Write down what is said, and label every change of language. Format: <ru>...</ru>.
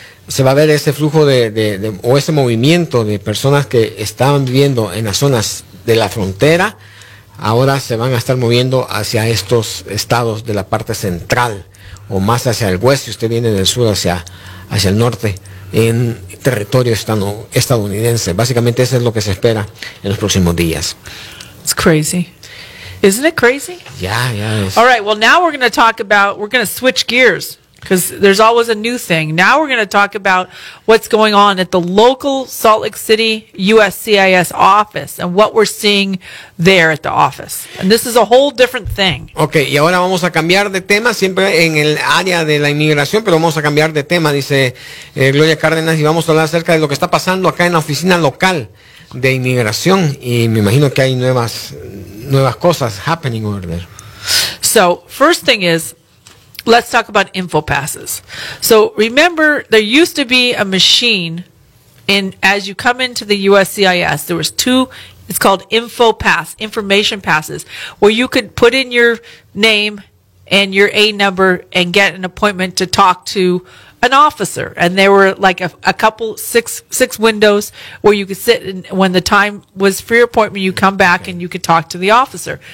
<es>Se va a ver ese flujo de o ese movimiento de personas que estaban viviendo en las zonas de la frontera, ahora se van a estar moviendo hacia estos estados de la parte central, o más hacia el oeste, si usted viene del sur hacia el norte, en territorio estadounidense. Básicamente eso es lo que se espera en los próximos días.</es> <en>It's crazy. Isn't it crazy? Yeah. All right, well, now we're going to switch gears, because there's always a new thing. Now we're going to talk about what's going on at the local Salt Lake City USCIS office and what we're seeing there at the office. And this is a whole different thing.</en> <es>Okay, y ahora vamos a cambiar de tema, siempre en el área de la inmigración, pero vamos a cambiar de tema, dice Gloria Cárdenas, y vamos a hablar acerca de lo que está pasando acá en la oficina local de inmigración, y me imagino que hay nuevas cosas</es> <en>happening over there. So, first thing is, let's talk about InfoPasses. So, remember, there used to be a machine, as you come into the USCIS, there was two, it's called InfoPass, information passes, where you could put in your name and your A number and get an appointment to talk to an officer, and there were like six windows where you could sit, and when the time was for your appointment, you come back and you could talk to the officer.</en>